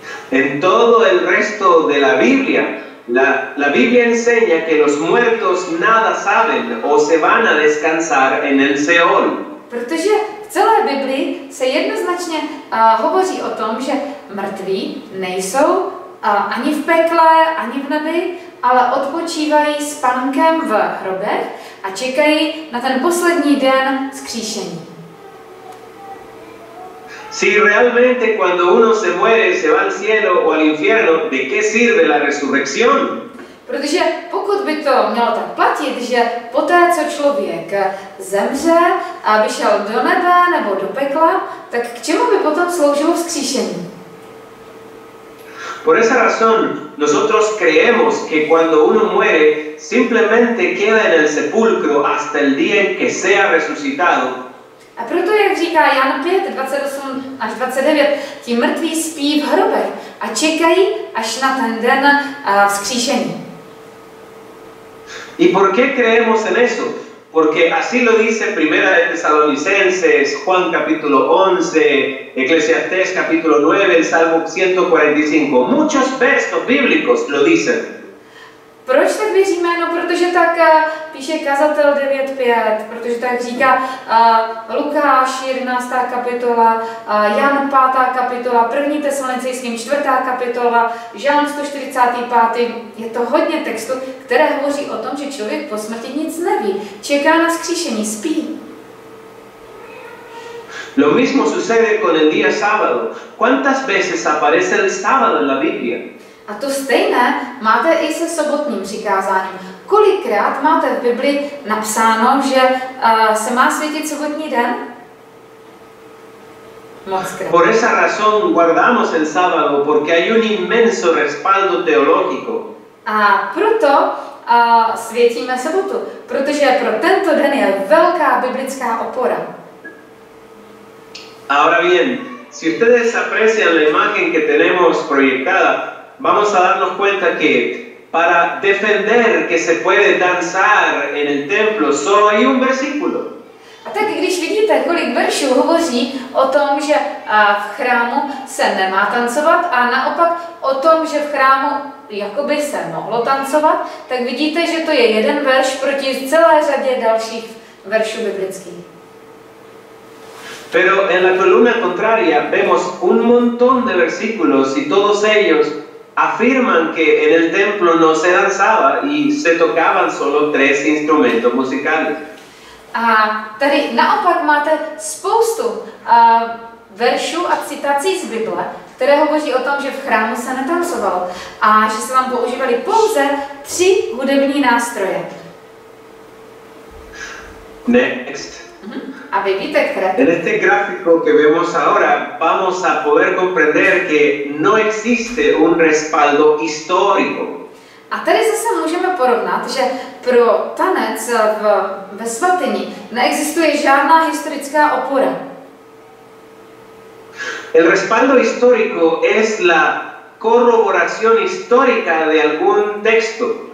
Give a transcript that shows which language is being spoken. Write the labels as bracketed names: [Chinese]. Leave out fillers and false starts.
[Spanish] En todo el resto de la Biblia, la Biblia enseña que los muertos nada saben o se van a descansar en el Seol. [Czech] Protože v celé Biblii se jednoznačně hovoří o tom, že mrtví nejsou ani v pekle, ani v nebi, ale odpočívají spánkem v hrobech a čekají na ten poslední den vzkříšení. [Spanish] Si realmente cuando uno se muere se va al cielo o al infierno, ¿de qué sirve la resurrección? [Czech] Protože pokud by to mělo tak platit, že poté, co člověk zemře a vyšel do nebe nebo do pekla, tak k čemu by potom sloužilo vzkříšení? [Spanish] Por esa razón, nosotros creemos que cuando uno muere, simplemente queda en el sepulcro hasta el día en que sea resucitado. [Czech] A proto, jak říká Jan 5, 28 až 29, ti mrtví spí v hrobech a čekají až na ten den vzkříšení. [Spanish] ¿Y por qué creemos en eso? Porque así lo dice Primera de Tesalonicenses, Juan capítulo 11, Eclesiastés capítulo 9, el Salmo 145. Muchos textos bíblicos lo dicen. [Czech] Proč tak věříme? No, protože tak píše Kazatel 9.5, protože tak říká Lukáš 11. kapitola, Jan 5. kapitola, 1. Tesalonicejským 4. kapitola, Žalm 145. Je to hodně textu, které hovoří o tom, že člověk po smrti nic neví. Čeká na vzkříšení, spí. [Spanish] Lo mismo sucede con el día sábado. ¿Cuántas veces aparece el sábado en la Biblia? [Czech] A to stejné máte i se sobotním přikázáním. Kolikrát máte v Bibli napsáno, že se má svítit sobotní den? Mockrát. [Spanish] Por esa razón guardamos el sábado, porque hay un inmenso respaldo teológico. [Czech] A proto svítíme sobotu, protože pro tento den je velká biblická opora. [Spanish] Ahora bien, si ustedes aprecian la imagen que tenemos proyectada, vamos a darnos cuenta que para defender que se puede danzar en el templo solo hay un versículo. [Czech] A tak když vidíte, kolik veršů hovoří o tom, že v chrámu se nemá tancovat a naopak o tom, že v chrámu jakoby se mohlo tancovat, tak vidíte, že to je jeden verš proti celé řadě dalších veršů biblických. [Spanish] Pero en la columna contraria vemos un montón de versículos y todos ellos afirman que en el templo no se danzaba y se tocaban solo tres instrumentos musicales. [Czech] A tady naopak máte spoustu veršů a citací z Bible, které hovoří o tom, že v chrámu se netancovalo a že se tam používaly pouze tři hudební nástroje. [English] Next. [Czech] A vy víte, které? [Spanish] En este gráfico que vemos ahora vamos a poder comprender que no existe un respaldo histórico. [Czech] A tady zase můžeme porovnat, že pro tanec ve svatyni neexistuje žádná historická opora. [Spanish] El respaldo histórico es la corroboración histórica de algún texto.